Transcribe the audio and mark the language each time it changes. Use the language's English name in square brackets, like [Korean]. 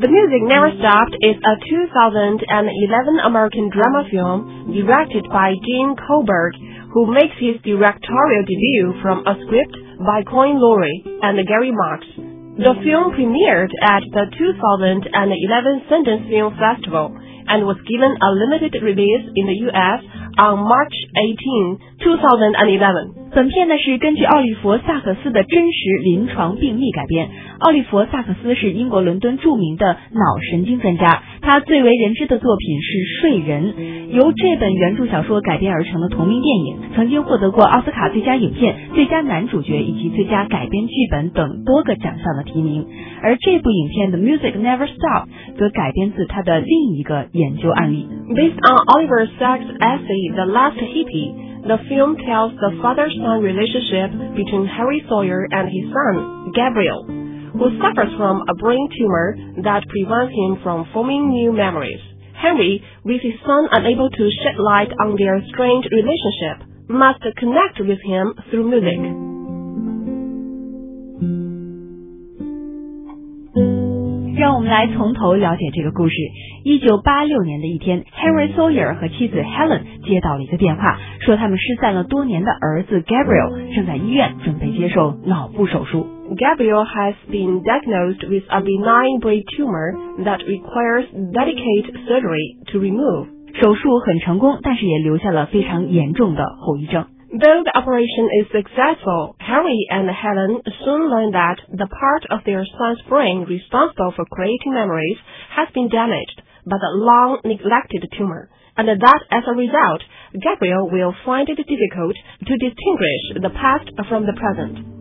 [English] The Music Never Stopped is a 2011 American drama film directed by Gene Kohlberg, who makes his directorial debut from a script by Coen Laurie and Gary Marks. The film premiered at the 2011 Sundance Film Festival and was given a limited release in the U.S. on March 18, 2011. [Chinese] 本片呢是根据奥利弗·萨克斯的真实临床病例改编。奥利弗·萨克斯是英国伦敦著名的脑神经专家，他最为人知的作品是《睡人》，由这本原著小说改编而成的同名电影，曾经获得过奥斯卡最佳影片、最佳男主角以及最佳改编剧本等多个奖项的提名。而这部影片《The Music Never Stops》则改编自他的另一个研究案例。 [English] Based on Oliver Sacks' essay The Last Hippie,The film tells the father-son relationship between Harry Sawyer and his son, Gabriel, who suffers from a brain tumor that prevents him from forming new memories. Harry, with his son unable to shed light on their strained relationship, must connect with him through music. [Chinese] 我们来从头了解这个故事。 1986年的一天， Henry Sawyer 和妻子 Helen 接到了一个电话，说他们失散了多年的儿子 Gabriel 正在医院准备接受脑部手术。 [English] Gabriel has been diagnosed with a benign brain tumor that requires delicate surgery to remove. [Chinese] 手术很成功，但是也留下了非常严重的后遗症。 [English] Though the operation is successful, Harry and Helen soon learn that the part of their son's brain responsible for creating memories has been damaged by the long-neglected tumor, and that as a result, Gabriel will find it difficult to distinguish the past from the present.